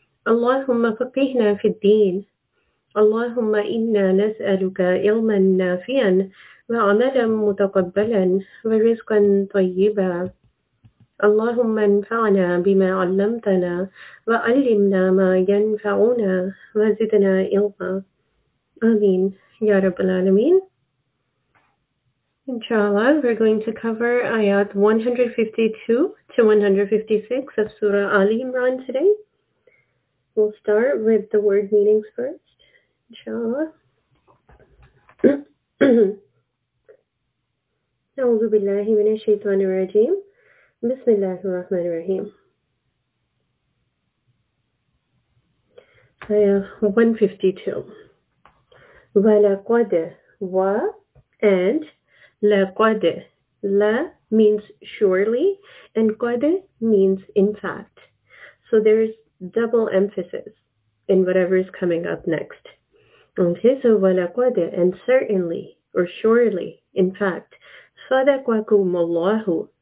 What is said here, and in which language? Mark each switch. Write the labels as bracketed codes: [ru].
[ar] اللهم فقهنا في الدين، اللهم إنا نسألك علما نافعا وعملا متقبلا ورزقا طيبا. اللهم انفعنا بما علمتنا وعلمنا ما ينفعنا وزدنا علما. آمين يا رب العالمين. [en] Inshallah, we're going to cover ayat 152 to 156 of Surah Ali Imran today. We'll start with the word meanings first, inshallah. [ar] أعوذ بالله من الشيطان الرجيم. بسم الله الرحمن الرحيم. آية 152. ولقد و and لقد. [en] لا means surely and قد means in fact. So there's double emphasis in whatever is coming up next. Okay, so ولقد and certainly or surely in fact. [ar] صدقكم الله.